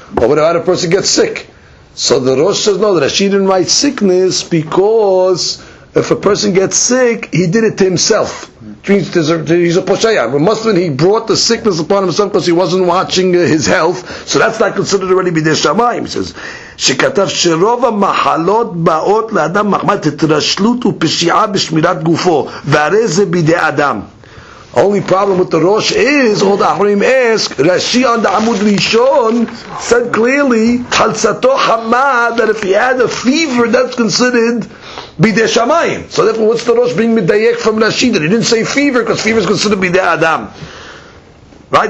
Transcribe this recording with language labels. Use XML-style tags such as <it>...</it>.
<en>But what about a person gets sick? So the Rosh says, "No, Rashi didn't write sickness because if a person gets sick, he did it to himself." He's a poshaya. A Muslim, he brought the sickness upon himself because he wasn't watching his health. So that's not considered already bidei shamayim. He says,</en> <he>שכתב שרוב המחלות באות לאדם מחמת התרשלות ופשיעה בשמירת גופו, והרי זה בידי אדם.</he> <en>Only problem with the Rosh is, all the Ahurim ask, Rashi on the Amud Rishon said clearly, Chaltzato Hamah, that if he had a fever, that's considered Bidei Shamayim. So therefore, what's the Rosh being Midayek from Rashi? That he didn't say fever, because fever is considered Bidei Adam. Right?</en>